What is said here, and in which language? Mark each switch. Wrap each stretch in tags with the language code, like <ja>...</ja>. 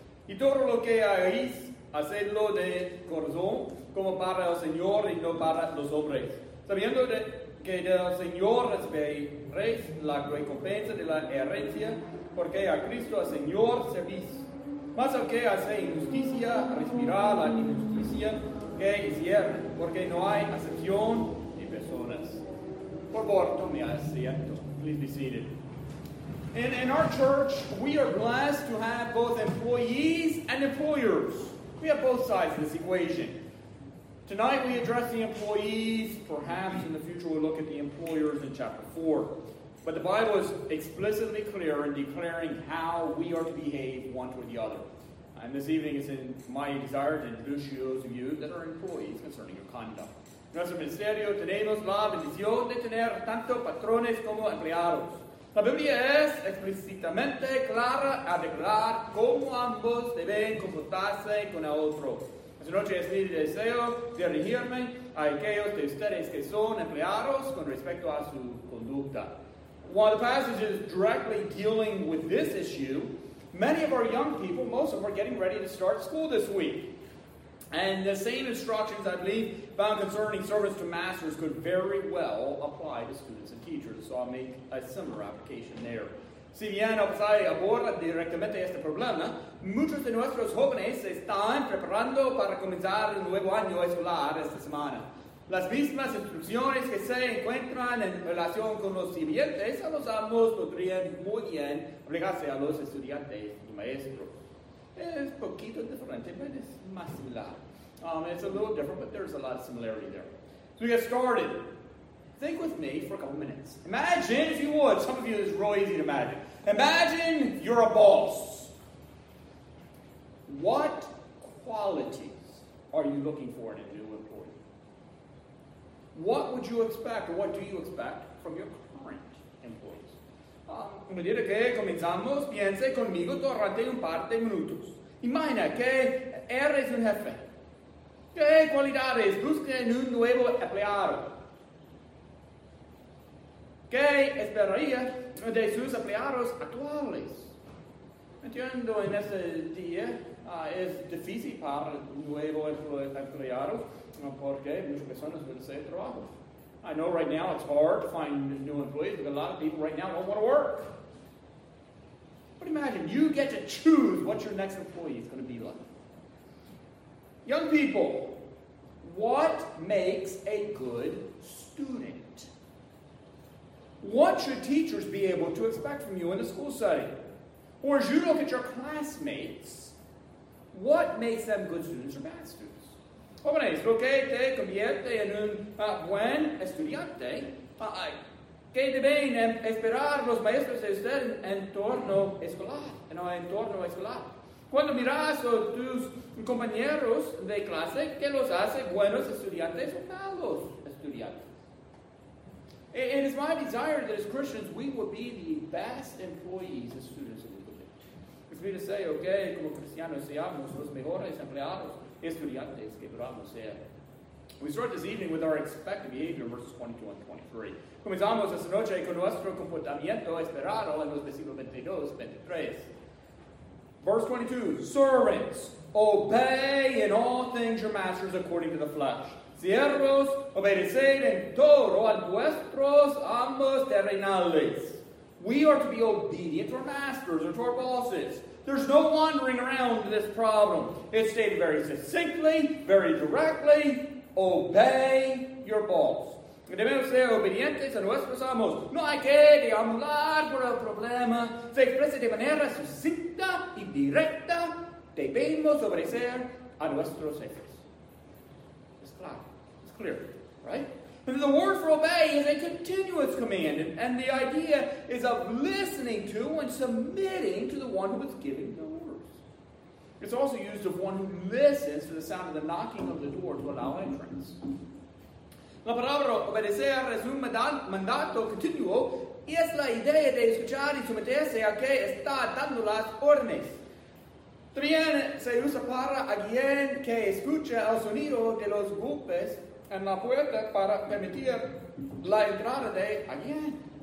<es>Y todo lo que hagáis, hacedlo de corazón, como para el Señor y no para los hombres, sabiendo de que del Señor recibiréis la recompensa de la herencia, porque a Cristo el Señor servís. Mas el que hace injusticia recibirá la injusticia que hiciere, porque no hay acepción de personas. Por cuanto me asiento.</es> <en>Please be seated. In our church, we are blessed to have both employees and employers. We have both sides of this equation. Tonight we address the employees, perhaps in the future we'll look at the employers in chapter 4. But the Bible is explicitly clear in declaring how we are to behave one toward the other. And this evening it's in my desire to introduce those of you that are employees concerning your conduct.</en> <es>Nuestro ministerio tenemos la bendición de tener tanto patrones como empleados. La Biblia es explícitamente clara a declarar cómo ambos deben comportarse con el otro. Esta noche es mi deseo dirigirme a aquellos de ustedes que son empleados con respecto a su conducta.</es> <en>While the passage is directly dealing with this issue, many of our young people, most of them, are getting ready to start school this week. And the same instructions, I believe, found concerning service to masters could very well apply to students and teachers. So I'll make a similar application there.</en> <es>Si bien el pasaje aborda directamente este problema, muchos de nuestros jóvenes se están preparando para comenzar el nuevo año escolar esta semana. Las mismas instrucciones que se encuentran en relación con los sirvientes a los amos podrían muy bien aplicarse a los estudiantes y maestros. Es un poquito diferente, pero es más similar.</es> <en>It's a little different, but there's a lot of similarity there. So we get started. Think with me for a couple minutes. Imagine, if you would, some of you, it's real easy to imagine. Imagine you're a boss. What qualities are you looking for in a new employee? What would you expect, or what do you expect from your current employees?</en> <es>A medida que comenzamos, piense conmigo durante un par de minutos. Imagina que eres un jefe. ¿Qué cualidades busca en un nuevo empleado? ¿Qué esperaría de sus empleados actuales? Entiendo, en ese día es difícil para nuevo empleado porque muchas personas van a hacer trabajo.</es> <en>I know right now it's hard to find new employees because a lot of people right now don't want to work. But imagine, you get to choose what your next employee is going to be like. Young people, what makes a good student? What should teachers be able to expect from you in a school setting? Or as you look at your classmates, what makes them good students or bad students?</en> <es>Jóvenes, lo que te convierte en un buen estudiante, ¿qué deben esperar los maestros de usted en el entorno escolar? Cuando miras a tus compañeros de clase, ¿qué los hace buenos estudiantes o malos estudiantes?</es> <en>It is my desire that as Christians we will be the best employees as students of the world. It's me to say, okay,</en> <es>como cristianos seamos los mejores empleados estudiantes que podamos ser.</es> <en>We start this evening with our expected behavior, verses 22 and 23.</en> <es>Comenzamos esta noche con nuestro comportamiento esperado en los versículos 22 y 23.</es> <en>Verse 22, servants, Obey in all things your masters according to the flesh.</en> <es>Siervos, obedeced en todo a vuestros amos terrenales.</es> <en>We are to be obedient to our masters or to our bosses. There's no wandering around this problem. It's stated very succinctly, very directly. Obey your boss.</en> <es>Debemos ser obedientes a nuestros amos. No hay que deambular por el problema. Se expresa de manera sucinta y directa. Debemos obedecer a nuestros jefes.</es> <en>It's clear. It's clear, right? And the word for obey is a continuous command, and the idea is of listening to and submitting to the one who is giving the orders. It's also used of one who listens to the sound of the knocking of the door to allow entrance.</en> <es>La palabra obedecer es un mandato continuo, y es la idea de escuchar y someterse a que está dando las órdenes. También se usa para alguien que escucha el sonido de los golpes en la puerta para permitir la entrada de alguien.</es>